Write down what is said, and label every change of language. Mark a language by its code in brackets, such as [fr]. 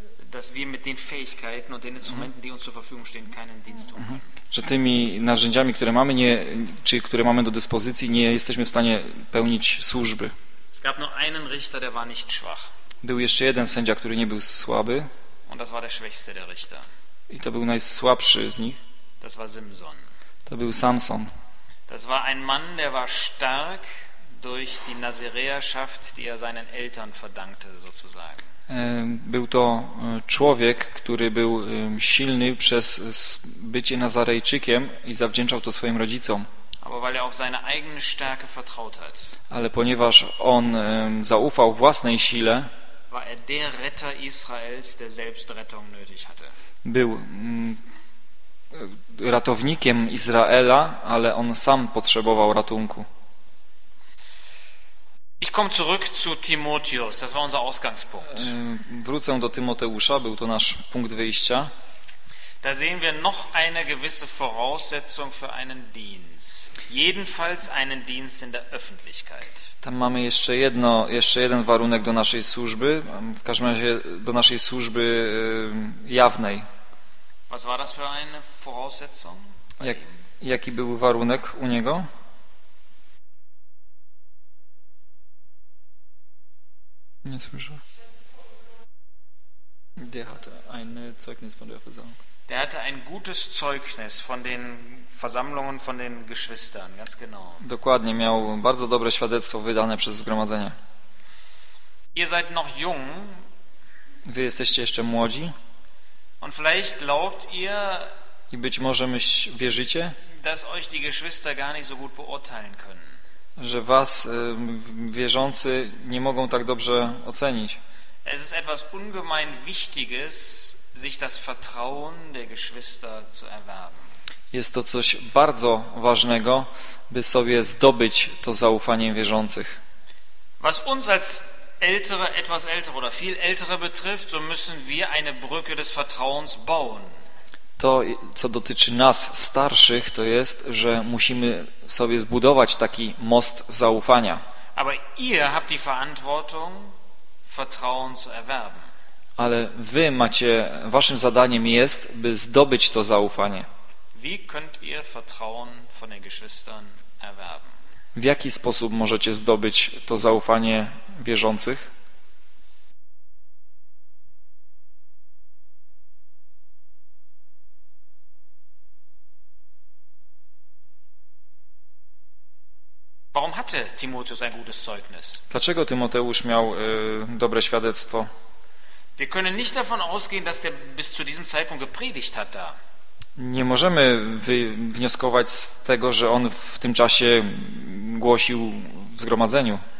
[de] Dass wir mit den Fähigkeiten und den Instrumenten, die uns zur Verfügung stehen, keinen Dienst tun können. [pl] Że tymi narzędziami, które mamy, nie, czy które mamy do dyspozycji, nie jesteśmy w stanie pełnić służby. [de] Es gab nur einen Richter, der war nicht schwach. [pl] Był jeszcze jeden sędzia, który nie był słaby. [de] Und das war der schwächste der Richter. [pl] I to był najsłabszy z nich. [de] Das war Simson. [pl] To był Samson. [de] Das war ein Mann, der war stark durch die Nazireerschaft, die er seinen Eltern verdankte, sozusagen. [pl] Był to człowiek, który był silny przez bycie Nazarejczykiem i zawdzięczał to swoim rodzicom. [de] Aber weil er auf seine eigene Stärke vertraut hat. [pl] Ale ponieważ on zaufał własnej sile, [de] war er der Retter Israels, der selbst Rettung nötig hatte. [pl] Był ratownikiem Izraela, ale on sam potrzebował ratunku. [de] Ich komme zurück zu Timotheus. Das war unser Ausgangspunkt. [pl] Wrócę do Tymoteusza, był to nasz punkt wyjścia. [de] Da sehen wir noch eine gewisse Voraussetzung für einen Dienst. Jedenfalls einen Dienst in der Öffentlichkeit. [pl] Tam mamy jeszcze jeden warunek do naszej służby, w każdym razie do naszej służby jawnej. [de] Was war das für eine Voraussetzung? [pl] Jaki był warunek u niego? Nie słyszę. [de] Der hatte ein Zeugnis von der Versammlung. Der hatte ein gutes Zeugnis von den Versammlungen, von den Geschwistern, ganz genau. [pl] Dokładnie, miał bardzo dobre świadectwo wydane przez zgromadzenie. [de] Ihr seid noch jung. [pl] Wy jesteście jeszcze młodzi. [de] Und vielleicht glaubt ihr. [pl] I być może wierzycie. [de] Dass euch die Geschwister gar nicht so gut beurteilen können. [pl] Że was wierzący nie mogą tak dobrze ocenić. [de] Es ist etwas ungemein Wichtiges, sich das Vertrauen der Geschwister zu erwerben. [pl] Jest to coś bardzo ważnego, by sobie zdobyć to zaufanie wierzących. [de] Was uns als ältere, etwas ältere oder viel ältere betrifft, so müssen wir eine Brücke des Vertrauens bauen. [pl] To, co dotyczy nas, starszych, to jest, że musimy sobie zbudować taki most zaufania. [de] Aber ihr habt die Verantwortung, Vertrauen zu erwerben. [pl] Ale wy macie, waszym zadaniem jest, by zdobyć to zaufanie. [de] Wie könnt ihr Vertrauen von den Geschwistern erwerben? W jaki sposób możecie zdobyć to zaufanie wierzących? Warum hatte Timotheus ein gutes Zeugnis? [pl] Dlaczego Tymoteusz miał dobre świadectwo? [de] Wir können nicht davon ausgehen, dass der bis zu diesem Zeitpunkt gepredigt hat da. [pl] Nie możemy wnioskować z tego, że on w tym czasie głosił w zgromadzeniu.